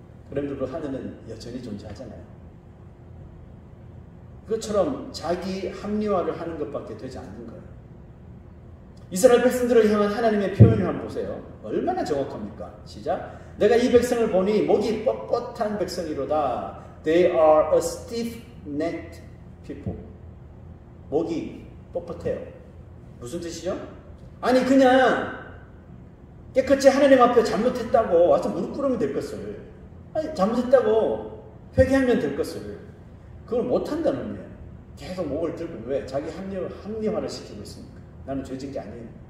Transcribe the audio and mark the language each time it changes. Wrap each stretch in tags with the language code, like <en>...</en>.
<ko>그럼에도 하늘은 여전히 존재하잖아요. 그것처럼 자기 합리화를 하는 것밖에 되지 않는 거예요. 이스라엘 백성들을 향한 하나님의 표현을 한번 보세요. 얼마나 정확합니까? 시작! 내가 이 백성을 보니 목이 뻣뻣한 백성이로다.</ko> <en>They are a stiff-necked people.</en> <ko>목이 뻣뻣해요. 무슨 뜻이죠? 아니 그냥 깨끗이 하나님 앞에 잘못했다고 와서 무릎 꿇으면 될 것을, 아니 잘못했다고 회개하면 될 것을 그걸 못한다는 거예요. 계속 목을 들고 왜 자기 합리화를 시키고 있습니까? 나는 죄진 게 아니에요.</ko>